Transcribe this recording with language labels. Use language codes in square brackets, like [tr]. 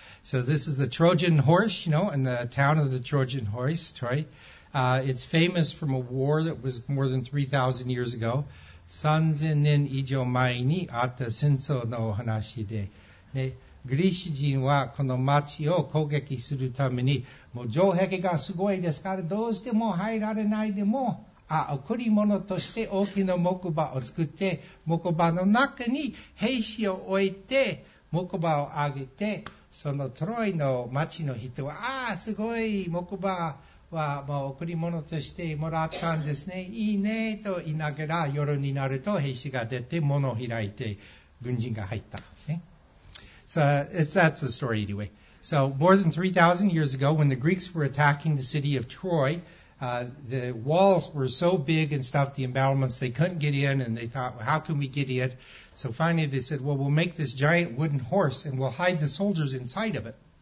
[en] So this is the Trojan horse, you know, in the town of the Trojan horse, Troy. It's famous from a war that was more than 3,000 years ago. [ja] 3000年以上前にあった戦争の話で、ね、グリシ人はこの町を攻撃するために、もう城壁がすごいですから、どうしても入られないでも、贈り物として大きな木馬を作って、木馬の中に兵士を置いて、木馬を上げて、そのトロイの町の人は、すごい木馬はもう贈り物としてもらったんですね。いいねと言いながら夜になると兵士が出て門を開いて軍人が入った。 [en] Okay? So it's, that's the story anyway. So more than 3,000 years ago, when the Greeks were attacking the city of Troy, the walls were so big and stuff, the embattlements, they couldn't get in, and they thought, well, how can we get in? So finally they said, well, we'll make this giant wooden horse and we'll hide the soldiers inside of it.